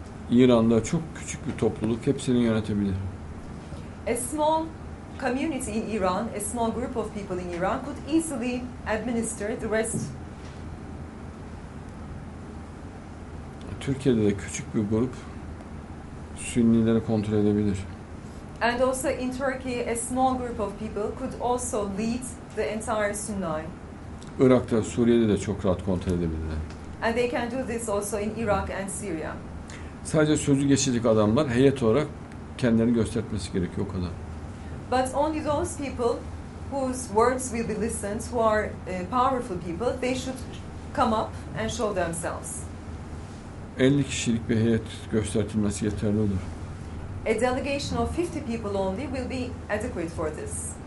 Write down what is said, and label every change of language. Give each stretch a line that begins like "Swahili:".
Turkish: İran'da çok küçük bir topluluk hepsini yönetebilir.
English: A small community in Iran, a small group of people in Iran could easily administer the rest.
Turkish: Türkiye'de de küçük bir grup Sünnileri kontrol edebilir.
English: And also in Turkey, a small group of people could also lead the entire Sunni.
Turkish: Irak'ta, Suriye'de de çok rahat kontrol edebilirler.
English: And they can do this also in Iraq and Syria.
Turkish: Sadece sözü geçecek adamlar heyet olarak kendilerini göstermesi gerekiyor, o kadar.
English: But only those people whose words will be listened, who are powerful people, they should come up and show themselves.
Turkish: 50 kişilik bir heyet göstertilmesi yeterli olur.
English: A delegation of 50 people only will be adequate for this.